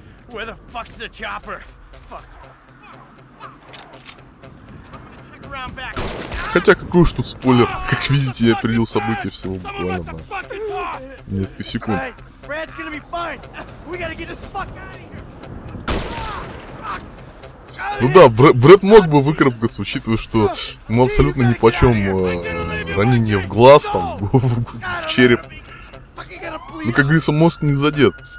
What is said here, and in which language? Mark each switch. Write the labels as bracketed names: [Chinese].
[English] Where the fuck's the chopper? Fuck. [Russian] Хотя какой уж тут спойлер, как видите, я опередил события всего буквально на несколько секунд. [English] Брэд's gonna be fine. We gotta get the fuck out of here. [Russian] Ну да, Брэд мог бы выкарабкаться, учитывая, что ему абсолютно нипочем ранение в глаз, там, в череп. Ну, как говорится, мозг не задет.